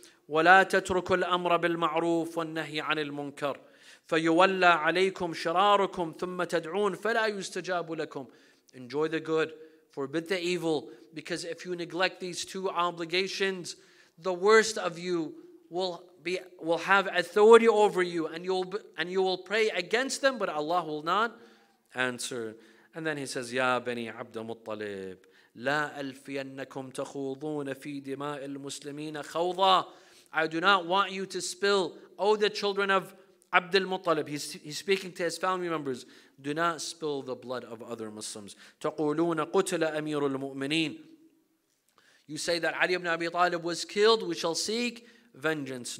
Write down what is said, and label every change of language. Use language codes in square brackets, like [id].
[ar] وَلَا تَتْرُكُ الْأَمْرَ بِالْمَعْرُوفِ وَالنَّهِي عَنِ الْمُنْكَرِ فَيُوَلَّى عَلَيْكُمْ شَرَارُكُمْ ثُمَّ تَدْعُونَ فَلَا يُسْتَجَابُ لَكُمْ. [en] Enjoy the good, forbid the evil, because if you neglect these two obligations, the worst of you will have authority over you, and you will pray against them, but Allah will not answer. And then he says, [ar] يَا بَنِي عَبْدَ مُطَّلِبٍ لَا أَلْفِيَنَّكُمْ تَخُوضُونَ فِي دِمَاءِ الْمُسْلِمِينَ خَوْضًا. [en] I do not want you to spill, O the children of Abd al-Muttalib, he's speaking to his family members, do not spill the blood of other Muslims. [ar] تَقُولُونَ قُتْلَ أَمِيرُ الْمُؤْمِنِينَ. [en] You say that Ali ibn Abi Talib was killed, we shall seek vengeance.